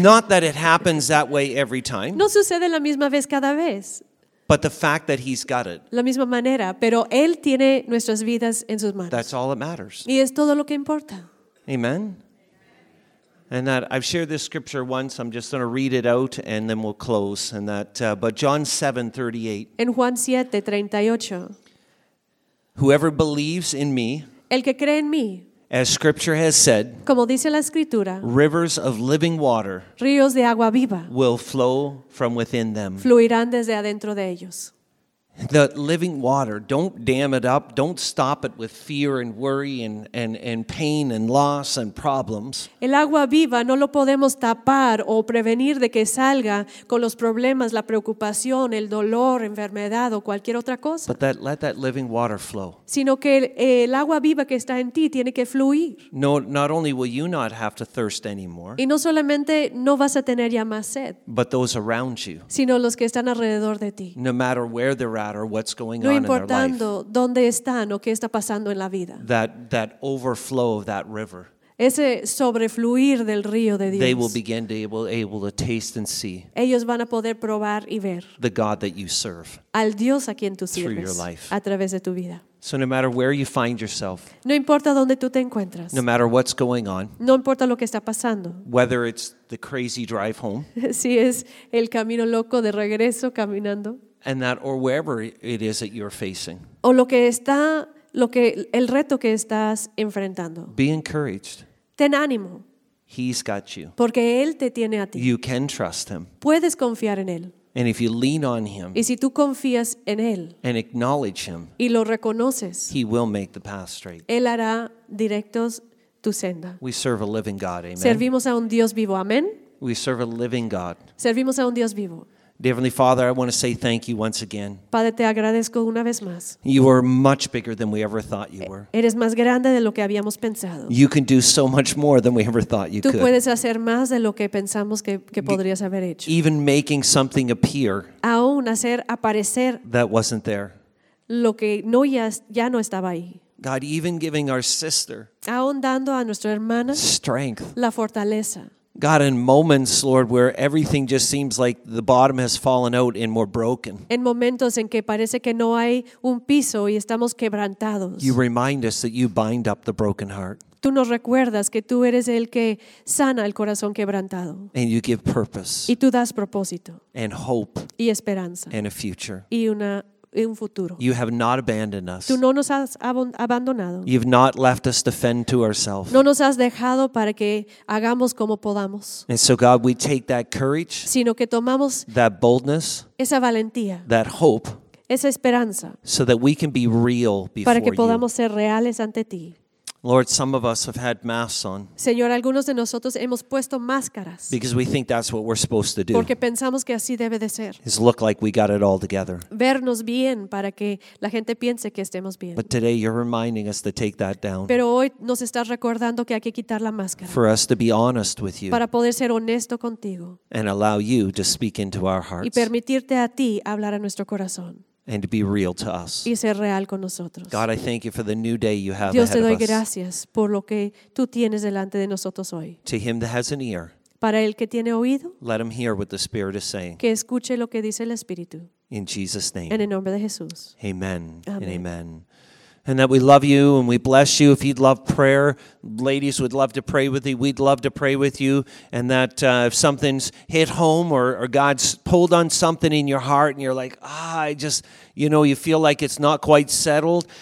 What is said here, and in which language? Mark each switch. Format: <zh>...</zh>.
<en>Not that it happens that way every time.</en> <es>No sucede la misma vez cada vez.</es> <en>But the fact that he's got it.</en> <es>La misma manera, pero él tiene nuestras vidas en sus manos.</es> <en>That's all that matters.</en> <es>Y es todo lo que importa.</es> <en>Amen. And that I've shared this scripture once. I'm just going to read it out, and then we'll close. And that, but John 7:38.</en> <es>En Juan 7:38.</es> <en>Whoever believes in me.</en> <es>El que cree en mí.</es> <en>As Scripture has said,</en> <es>como dice la escritura,</es> <en>rivers of living water,</en> <es>ríos de agua viva,</es> <en>will flow from within them.</en> <es>Fluirán desde adentro de ellos.</es> <en>The living water, don't dam it up, don't stop it with fear and worry and pain and loss and problems.</en> <es>El agua viva no lo podemos tapar o prevenir de que salga con los problemas, la preocupación, el dolor, enfermedad o cualquier otra cosa.</es> <en>But that, let that living water flow.</en> <es>Sino que el agua viva que está en ti tiene que fluir.</es> <en>No, not only will you not have to thirst anymore.</en> <es>Y no solamente no vas a tener ya más sed.</es> <en>But those around you.</en> <es>Sino los que están alrededor de ti.</es> <en>No matter where they're at or what's going</en> <es>no</es> <en>on</en> <es>importando</es> <en>in their life,</en> <es>dónde están o qué está pasando en la vida.</es> <en>That overflow of that river.</en> <es>Ese sobrefluir del río de Dios.</es> <en>They will begin to able to taste and see.</en> <es>Ellos van a poder probar y ver.</es> <en>The God that you serve.</en> <es>Al Dios a quien tú sirves.</es> <en>Through your life.</en> <es>A través de tu vida.</es> <en>So no matter where you find yourself.</en> <es>No importa dónde tú te encuentras.</es> <en>No matter what's going on.</en> <es>No importa lo que está pasando.</es> <en>Whether it's the crazy drive home.</en> <es>Si es el camino loco de regreso caminando.</es> <en>And that, or wherever it is that you're facing.</en> <es>O lo que está, el reto que estás enfrentando.</es> <en>Be encouraged.</en> <es>Ten ánimo.</es> <en>He's got you.</en> <es>Porque él te tiene a ti.</es> <en>You can trust him.</en> <es>Puedes confiar en él.</es> <en>And if you lean on him.</en> <es>Y si tú confías en él.</es> <en>And acknowledge him.</en> <es>Y lo reconoces.</es> <en>He will make the path straight.</en> <es>Él hará directos tu senda.</es> <en>We serve a living God, amen.</en> <es>Servimos a un Dios vivo, amen.</es> <en>We serve a living God.</en> <es>Servimos a un Dios vivo.</es> <en>Heavenly Father, I want to say thank you once again.</en> <es>Padre, te agradezco una vez más.</es> <en>You are much bigger than we ever thought you were.</en> <es>Eres más grande de lo que habíamos pensado.</es> <en>You can do so much more than we ever thought you</en> <es>Tú</es> <en>could.</en> <es>Tú puedes hacer más de lo que pensamos que podrías haber hecho.</es> <en>Even making something appear.</en> <es>Aún hacer aparecer.</es> <en>That wasn't there.</en> <es>Lo que no ya no estaba ahí.</es> <en>God, even giving our sister.</en> <es>Aún dando a nuestra hermana.</es> <en>Strength.</en> <es>La fortaleza.</es> <en>God, in moments, Lord, where everything just seems like the bottom has fallen out and we're broken.</en> <es>En momentos en que parece que no hay un piso y estamos quebrantados.</es> <en>You remind us that you bind up the broken heart.</en> <es>Tú nos recuerdas que tú eres el que sana el corazón quebrantado.</es> <en>And you give purpose.</en> <es>Y tú das propósito.</es> <en>And hope.</en> <es>Y esperanza.</es> <en>And a future.</en> <es>Y una un futuro.</es> <en>You have not abandoned us.</en> <es>Tú no nos has abandonado.</es> <en>You've not left us to fend to ourselves.</en> <es>No nos has dejado para que hagamos como podamos.</es> <en>And so God, we take that courage,</en> <es>sino que tomamos</es> <en>that boldness,</en> <es>esa valentía,</es> <en>that hope,</en> <es>esa esperanza,</es> <en>so that we can be real before you.</en> <es>Para que podamos ser reales ante ti.</es> <en>Lord, some of us have had masks on.</en> <es>Señor, algunos de nosotros hemos puesto máscaras.</es> <en>Because we think that's what we're supposed to do.</en> <es>Porque pensamos que así debe de ser.</es> <en>It's look like we got it all together.</en> <es>Vernos bien para que la gente piense que estemos bien.</es> <en>But today you're reminding us to take that down.</en> <es>Pero hoy nos estás recordando que hay que quitar la máscara.</es> <en>For us to be honest with you.</en> <es>Para poder ser honesto contigo.</es> <en>And allow you to speak into our hearts.</en> <es>Y permitirte a ti hablar a nuestro corazón.</es> <en>And to be real to us.</en> <es>Y ser real con nosotros.</es> <en>God, I thank you for the new day you have</en> <es>Dios</es> <en>ahead of us.</en> <es>Dios, te doy gracias por lo que tú tienes delante de nosotros hoy.</es> <en>To him that has an ear.</en> <es>Para el que tiene oído.</es> <en>Let him hear what the Spirit is saying.</en> <es>Que escuche lo que dice el Espíritu.</es> <en>In Jesus' name.</en> <es>En el nombre de Jesús.</es> <en>Amen. Amen. And amen. And that we love you and we bless you. If you'd love prayer, ladies, would love to pray with you. We'd love to pray with you. And that if something's hit home or God's pulled on something in your heart and you're like, you feel like it's not quite settled.</en>